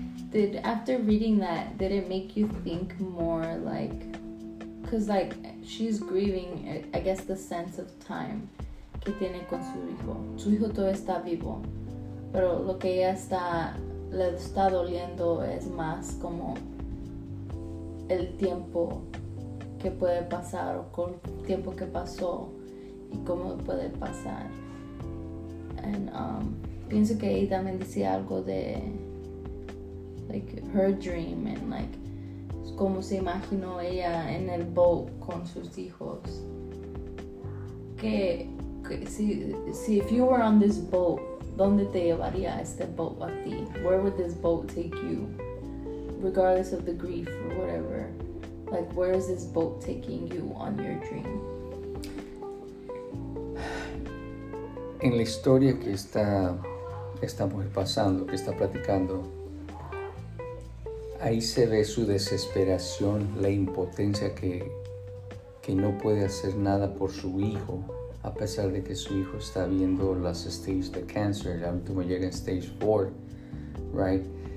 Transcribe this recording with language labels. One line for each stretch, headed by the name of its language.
English: Did, after reading that, did it make you think more, like, because, like, she's grieving, I guess, the sense of time
Spanish: que tiene con su hijo. Su hijo todavía está vivo, pero lo que ella está, le está doliendo es más como el tiempo que puede pasar, o con tiempo que pasó y cómo puede pasar. And pienso que ella también decía algo de,
English: like, her dream, and like,
Spanish: como se imaginó ella en el boat con sus hijos.
English: Que see, if you were on this boat,
Spanish: ¿dónde te llevaría este boat a ti?
English: Where would this boat take you? Regardless of the grief or whatever. Like, where is this boat taking you on your dream?
Spanish: En la historia que está esta mujer pasando, que está platicando, ahí se ve su desesperación, la impotencia, que no puede hacer nada por su hijo, a pesar de que su hijo está viendo las stages de cáncer, la última llega en stage 4, right?